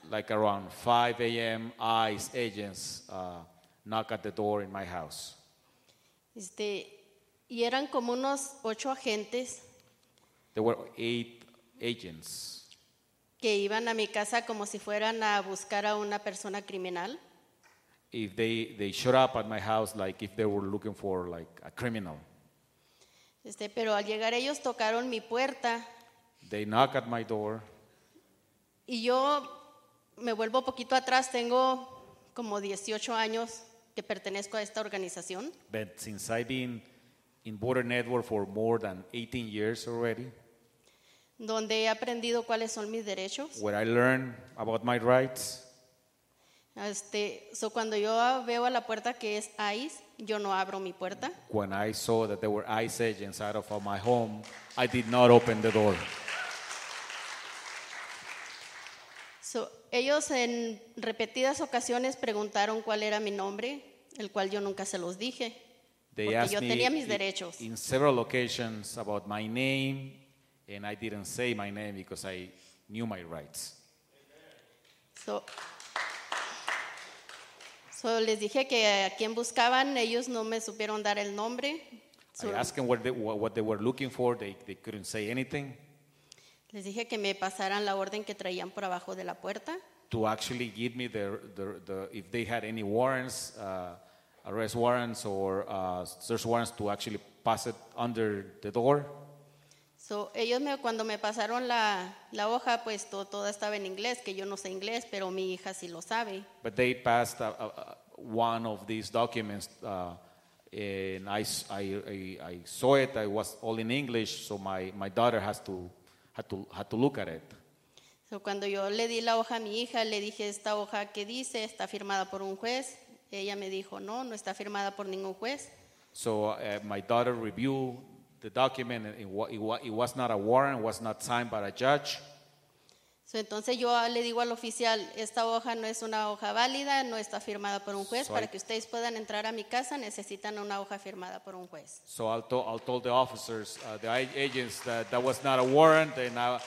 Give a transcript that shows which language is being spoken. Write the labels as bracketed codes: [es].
[en] Like around 5 a.m., ICE agents knock at the door in my house. [es] Y eran como unos 8 agentes. [en] There were 8 agents. [es] Que iban a mi casa como si fueran a buscar a una persona criminal. [en] If they showed up at my house like if they were looking for like a criminal. [es] Pero al llegar ellos tocaron mi puerta. [en] They knock at my door. [es] Y yo me vuelvo poquito atrás, tengo como 18 años que pertenezco a esta organización. [en] But since I've been in Border Network for more than 18 years already, [es] donde he aprendido cuáles son mis derechos, [en] where I learn about my rights. [es] So cuando yo veo a la puerta que es ICE, yo no abro mi puerta. [en] When I saw that there were ICE agents out of my home, I did not open the door. [es] Ellos en repetidas ocasiones preguntaron cuál era mi nombre, el cual yo nunca se los dije, [en] they [es] porque yo tenía mis [en] in, [es] derechos. [en] In several occasions about my name, and I didn't say my name because I knew my rights. [es] So les dije que a quien buscaban, ellos no me supieron dar el nombre. [en] I asked them what they were looking for, they couldn't say anything. [es] Les dije que me pasaran la orden que traían por abajo de la puerta. [en] To actually give me the if they had any warrants, arrest warrants or search warrants, to actually pass it under the door. [es] So ellos me, cuando me pasaron la hoja, pues toda estaba en inglés, que yo no sé inglés, pero mi hija sí lo sabe. [en] But they passed one of these documents, and I saw it. It was all in English, so my daughter had to look at it. [es] So cuando yo le di la hoja a mi hija, le dije, esta hoja que dice está firmada por un juez. Ella me dijo, no está firmada por ningún juez. [en] So my daughter reviewed the document. It was not a warrant, it was not signed by a judge. [es] So entonces yo le digo al oficial, esta hoja no es una hoja válida, no está firmada por un juez. So para que ustedes puedan entrar a mi casa, necesitan una hoja firmada por un juez. [en] So I told the officers, the agents, that was not a warrant, and